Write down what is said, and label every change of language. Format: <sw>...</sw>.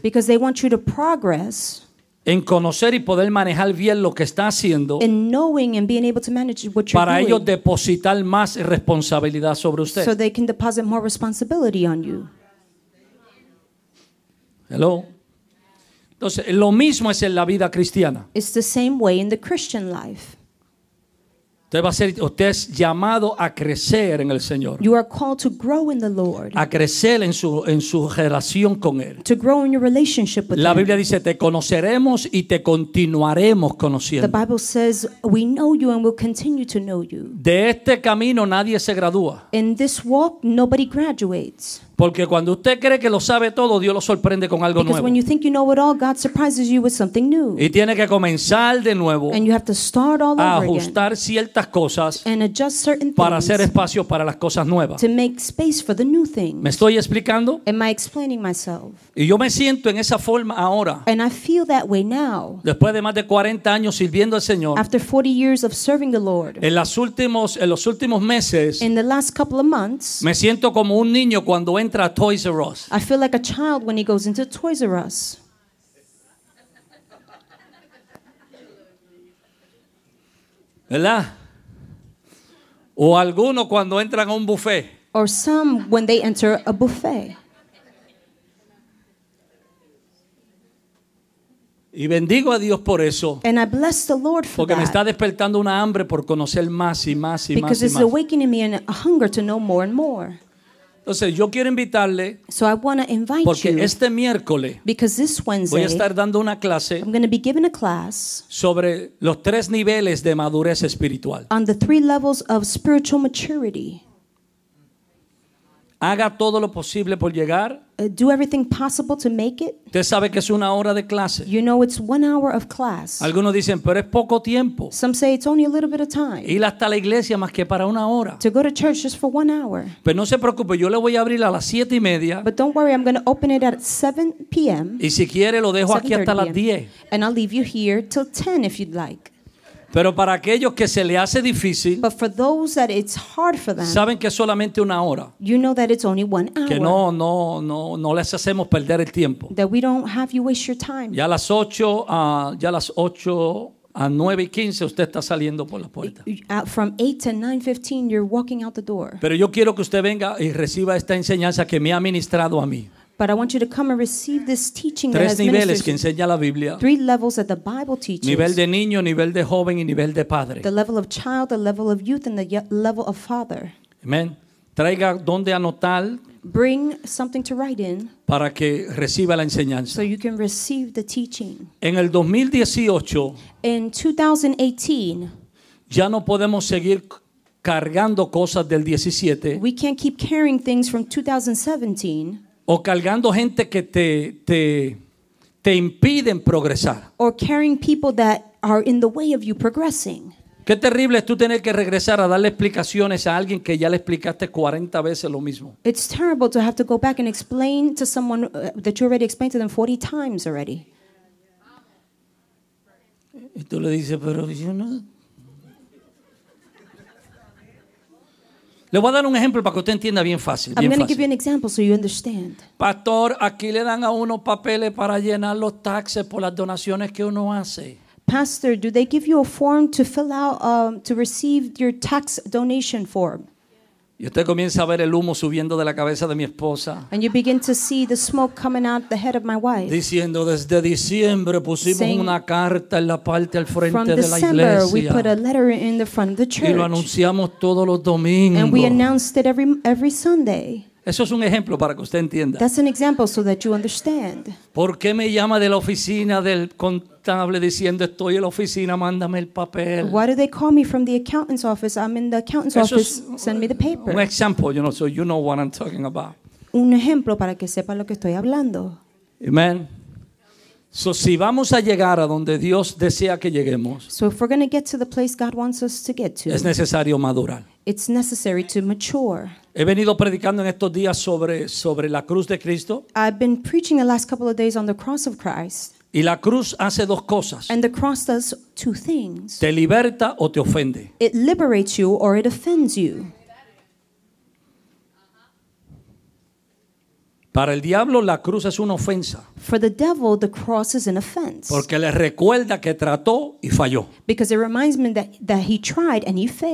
<en>Because they want you to progress.</en> <es>En conocer y poder manejar bien lo que está haciendo.</es> <en>In knowing and being able to manage what you're</en> <es>para</es> <en>doing.</en> <es>Ellos depositar más responsabilidad sobre usted.</es> <en>So they can deposit more responsibility on you. Hello.</en> <es>Entonces, lo mismo es en la vida cristiana.</es> <en>It's the same way in the Christian life.</en> <es>Usted va a ser, usted es llamado a crecer en el Señor.</es> <en>You are called to grow in the Lord.</en> <es>A crecer en su relación con Él.</es> <en>To grow in your relationship with Him.</en> <es>La Biblia</es> <en>Him.</en> <es>Dice, te conoceremos y te continuaremos conociendo.</es> <en>The Bible says, we know you and we'll continue to know you.</en> <es>De este camino nadie se gradúa.</es> <en>In this walk, nobody graduates.</en> <es>Porque cuando usted cree que lo sabe todo, Dios lo sorprende con algo</es> <en>because</en> <es>nuevo.</es> <en>When you think you know it all, God surprises you with something new.</en> <es>Y tiene que comenzar de nuevo.</es> <en>And you have to start all over again.</en> <es>A ajustar ciertas cosas.</es> <en>And adjust certain things.</en> <es>Para hacer espacio para las cosas nuevas.</es> <en>To make space for the new things.</en> <es>¿Me estoy explicando?</es> <en>Am I explaining myself?</en> <es>Y yo me siento en esa forma ahora.</es> <en>And I feel that way now.</en> <es>Después de más de 40 años sirviendo al Señor.</es> <en>After 40 years of serving the Lord.</en> <es>En los últimos meses.</es> <en>In the last couple of months.</en> <es>Me siento como un niño cuando entra a Toys R Us.</es> <en>I feel like a child when he goes into Toys R Us.</en> <es>¿Verdad? O alguno cuando entran a un buffet.</es> <en>Or some when they enter a buffet.</en> <es>Y bendigo a Dios por eso.</es> <en>And I bless the Lord for</en> <es>porque</es> <en>that.</en> <es>Me está despertando una hambre por conocer más y más y más y más.</es> <en>Because it's awakening me a hunger to know more and more.</en> <es>Entonces yo quiero invitarle</es> <en>so I want to invite</en> <es>porque</es> <en>you,</en> <es>este miércoles</es> <en>this Wednesday,</en> <es>voy a estar dando una clase</es> <en>I'm going to be giving a class</en> <es>sobre los tres niveles de madurez espiritual.</es> <en>On the three levels of spiritual maturity.</en> <es>Haga todo lo posible por llegar.</es> <en>Do everything possible to make it.</en> <es>Usted sabe que es una hora de clase.</es> <en>You know it's 1 hour of class.</en> <es>Algunos dicen, pero es poco tiempo.</es> <en>Some say it's only a little bit of time.</en> <es>Ir hasta la iglesia más que para una hora.</es> <en>To go to church just for 1 hour.</en> <es>Pero no se preocupe, yo le voy a abrir a las 7:30.</es> <en>But don't worry, I'm going to open it at 7 p.m.</en> <es>Y si quiere, lo dejo aquí hasta las 10.</es> <en>And I'll leave you here till 10 if you'd like.</en> <es>Pero para aquellos que se le hace difícil,</es> <en>but for those that it's hard for them,</en> <es>saben que es solamente una hora.</es> <en>You know that it's only 1 hour.</en> <es>Que no les hacemos perder el tiempo.</es> <en>That we don't have you waste your time.</en> <es>Ya a las 8, ya a las 8 a 9 y 15 usted está saliendo por la puerta.</es> <en>From 8 to 9:15 you're walking out the door.</en> <es>Pero yo quiero que usted venga y reciba esta enseñanza que me ha ministrado a mí.</es> <en>But I want you to come and receive this teaching.</en> <es>Tres</es> <en>that has</en> <es>niveles que enseña la Biblia.</es> <en>Three levels that the Bible teaches.</en> <es>Nivel de niño, nivel de joven y nivel de padre.</es> <en>The level of child, the level of youth, and the level of father.</en> <es>Amen. Traiga donde anotar.</es> <en>Bring something to write in.</en> <es>Para que reciba la enseñanza.</es> <en>So you can receive the teaching.</en> <es>En el 2018.</es> <en>In 2018.</en> <es>Ya no podemos seguir cargando cosas del 17.</es> <en>We can't keep carrying things from 2017.</en> <es>O cargando gente que te impiden progresar.</es> <en>Or carrying people that are in the way of you progressing.</en> <es>Qué terrible es tú tener que regresar a darle explicaciones a alguien que ya le explicaste 40 veces lo mismo.</es> <en>It's terrible to have to go back and explain to someone that you already explained to them 40 times already.</en> <es>Y tú le dices, pero yo no. Le voy a dar un ejemplo para que usted entienda bien fácil.</es> <en>I'm going to give you an example so you understand.</en> <es>Pastor, aquí le dan a uno papeles para llenar los taxes por las donaciones que uno hace.</es> <en>Pastor, do they give you a form to fill out to receive your tax donation form?</en> <es>Y usted comienza a ver el humo subiendo de la cabeza de mi esposa.</es> <en>And you begin to see the smoke coming out the head of my wife.</en> <es>Diciendo desde diciembre pusimos</es> <en>saying,</en> <es>una carta en la parte al frente de</es> <en>December,</en> <es>la iglesia.</es> <en>From December we put a letter in the front of the church.</en> <es>Y lo anunciamos todos los domingos.</es> <en>And we announced it every Sunday.</en> <es>Eso es un ejemplo para que usted entienda.</es> <en>That's an example so that you understand.</en> <es>¿Por qué me llama de la oficina del contable diciendo estoy en la oficina, mándame el papel?</es> <en>Why do they call me from the accountant's office? I'm in the accountant's office. Send me the paper.</en> <es>Un ejemplo,</es> <en>you know, so you know what I'm talking about.</en> <es>Un ejemplo para que sepa lo que estoy hablando. Amen. So si vamos a llegar a donde Dios desea que lleguemos,</es> <en>so if we're going to get to the place God wants us to get to,</en> <es>es necesario madurar.</es> <en>It's necessary to mature.</en> <es>He venido predicando en estos días sobre la cruz de Cristo.</es> <en>I've been preaching the last couple of days on the cross of Christ.</en> <es>Y la cruz hace dos cosas.</es> <en>And the cross does two things.</en> <es>Te liberta o te ofende.</es> <en>It liberates you or it offends you.</en> <es>Para el diablo la cruz es una ofensa.</es> <en>For the devil the cross is an offense.</en> <es>Porque le recuerda que trató y falló.</es> <en>Because it reminds him that he tried and he failed.</en>